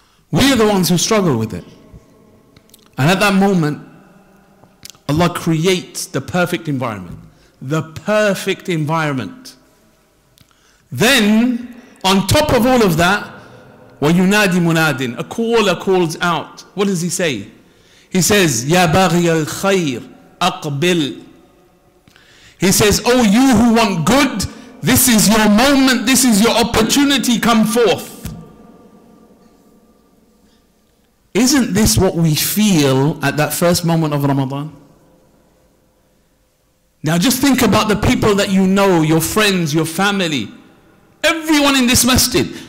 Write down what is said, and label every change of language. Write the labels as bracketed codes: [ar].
[en] We are the ones who struggle with it. And at that moment, Allah creates the perfect environment. The perfect environment. Then, on top of all of that, [ar] وَيُنَادِ مُنَادٍ, [en] a caller calls out. What does he say? He says, [ar] يَا بَغِيَ الْخَيْرِ أَقْبِلْ. [en] He says, oh, you who want good, this is your moment, this is your opportunity, come forth. Isn't this what we feel at that first moment of Ramadan? Now just think about the people that you know, your friends, your family, everyone in this masjid.